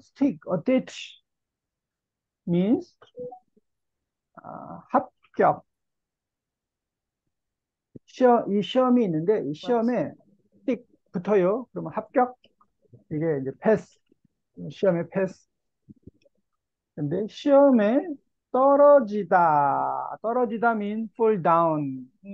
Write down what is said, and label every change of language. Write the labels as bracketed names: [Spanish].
[English] stick, attach means 합격. [Korean] 이 시험이 있는데 이 시험에 stick 붙어요. 그러면 합격. 이게 이제 패스. 시험에 패스. 근데 시험에 떨어지다. 떨어지다 [English] mean fall down.